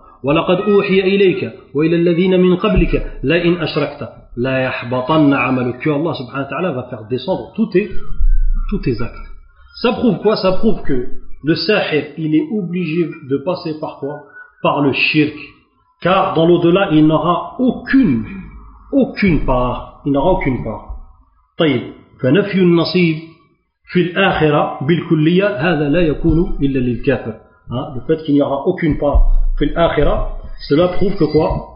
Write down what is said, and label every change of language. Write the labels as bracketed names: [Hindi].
[Arabic] وَلَقَدْ أُوحِيَ إِلَيْكَ وَإِلَى الَّذِينَ مِنْ قَبْلِكَ لَإِنْ أَشْرَكْتَ لَيَحْبَطَنَّ عَمَلُكَ, [French] que Allah subhanahu wa ta'ala va faire descendre tous tes actes. Ça prouve quoi? Ça prouve que le sahir, il est obligé de passer par quoi? Par le shirk. Car dans l'au-delà, il n'aura aucune part. Il n'aura aucune part. [Arabic] طيب. فنفي النصيب في الآخرة بالكلية هذا لا يكون إلا للكافر. [French] Le fait qu'il n'y aura aucune part [Arabic] في الآخرة, [French] cela prouve que quoi?